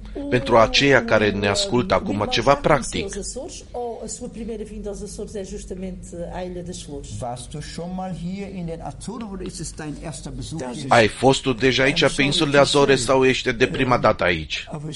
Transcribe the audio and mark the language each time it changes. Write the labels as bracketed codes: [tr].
[ro] Pentru aceia care ne ascultă acum, ceva practic. [pt] Ou a sua primeira vinda aos Açores é justamente à Ilha das Flores? [de] Warst du schon mal hier in den Azoren oder ist es dein erster Besuch? [ro] Ai fost tu deja aici pe insulele Azore sau ești de prima dată aici?